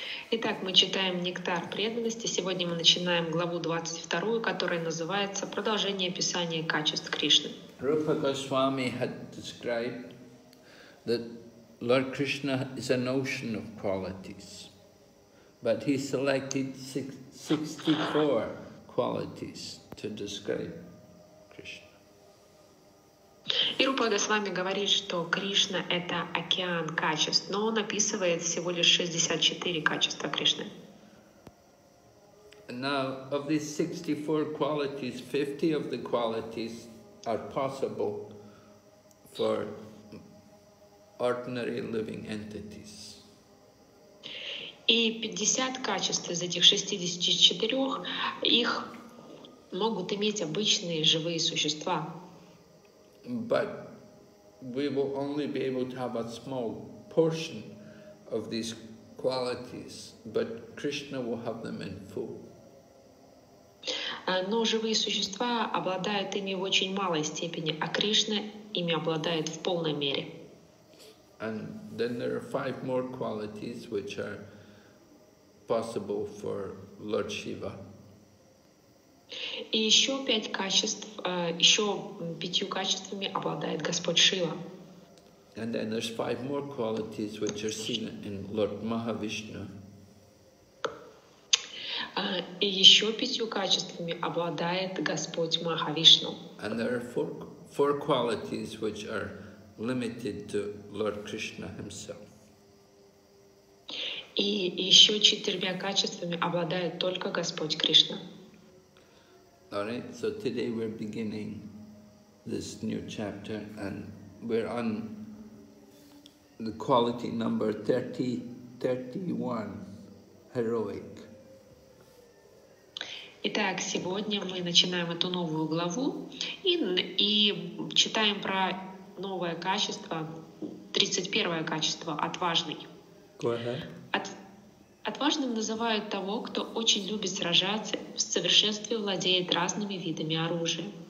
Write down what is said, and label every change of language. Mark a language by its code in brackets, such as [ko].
[ru] Итак, мы читаем «Нектар преданности». Сегодня мы начинаем главу 22, которая называется «Продолжение описания качеств Кришны». [en] Rupa Goswami had described that Lord Krishna is an ocean of qualities, but he selected 64 qualities to describe. [ru] И Рупада с вами говорит, что Кришна — это океан качеств, но он описывает всего лишь 64 качества Кришны. [en] Now, of these 64 qualities, 50 of the qualities are possible for ordinary living entities. [ru] И 50 качеств из этих 64, их могут иметь обычные живые существа. [en] But we will only be able to have a small portion of these qualities, but Krishna will have them in full. [ru] Но живые существа обладают ими в очень малой степени, а Кришна ими обладает в полной мере. [en] And then there are 5 more qualities which are possible for Lord Shiva. [ru] И еще 5 качеств, еще 5 качествами обладает Господь Шива. [en] And then there's 5 more qualities which are seen in Lord Mahavishnu. [ru] И еще 5 качествами обладает Господь Махавишну. [en] And there are 4 qualities which are limited to Lord Krishna himself. [ru] И еще 4 качествами обладает только Господь Кришна. [en] Alright, so today we're beginning this new chapter and we're on the quality number 31, heroic. [ru] Итак, сегодня мы начинаем эту новую главу и читаем про новое качество, 31 качество, отважный. [en] Go ahead. [ru] Отважным называют того, кто очень любит сражаться, в совершенстве владеет разными видами оружия.